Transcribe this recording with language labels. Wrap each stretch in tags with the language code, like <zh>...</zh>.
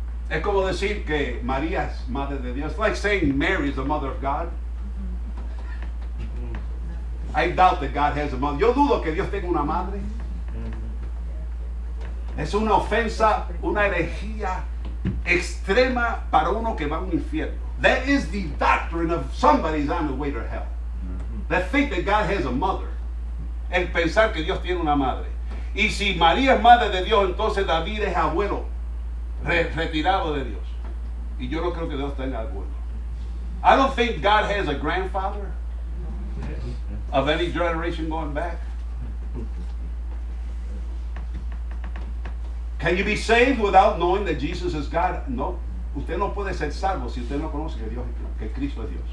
<es>Es como decir que María es madre de Dios.</es> <en>Like saying Mary is the mother of God. I doubt that God has a mother.</en> <es>Yo dudo que Dios tenga una madre. Es una ofensa, una herejía extrema para uno que va a un infierno.</es> <en>That is the doctrine of somebody's on the way to hell. The thing that God has a mother.</en> <es>El pensar que Dios tiene una madre. Y si María es madre de Dios, entonces David es abuelo retirado de Dios. Y yo no creo que Dios tenga abuelo.</es> <en>I don't think God has a grandfather of any generation going back. Can you be saved without knowing that Jesus is God? No.</en> <es>Usted no puede ser salvo si usted no conoce que Dios, que Cristo es Dios.</es>